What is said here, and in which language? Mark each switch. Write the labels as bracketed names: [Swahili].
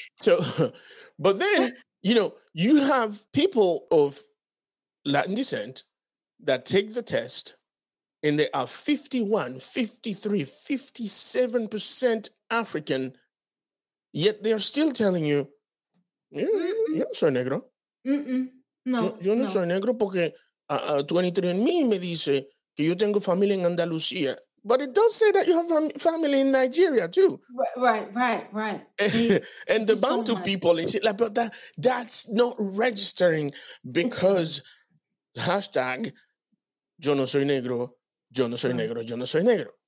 [English] So, but then, you know, you have people of Latin descent that take the test and they are 51, 53, 57% African, yet they are still telling you, [Spanish] yo no soy negro. [English] No. [Spanish] Yo no soy negro porque 23andMe me dice que yo tengo familia en Andalucía. [English] But it does say that you have family in Nigeria too. Right. And the Bantu people, and shit, like, but that's not registering because hashtag, [Spanish] yo no soy negro, [English] yo no soy negro, yo no soy negro.